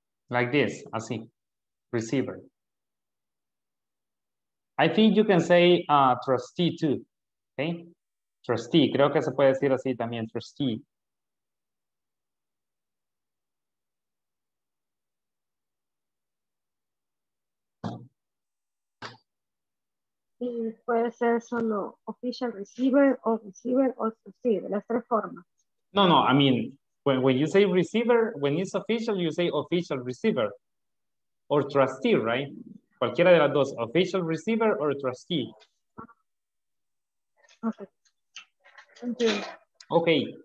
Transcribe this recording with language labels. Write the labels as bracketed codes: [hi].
[en] Like this, así, receiver. I think you can say trustee too, okay? [es] Trustee, creo que se puede decir así también, trustee. Y puede ser solo official receiver o trustee, de las tres formas. [en] No, no, I mean, when you say receiver, when it's official, you say official receiver or trustee, right? [es] Cualquiera de las dos, official receiver or trustee. [en] Okay. Thank you. Okay.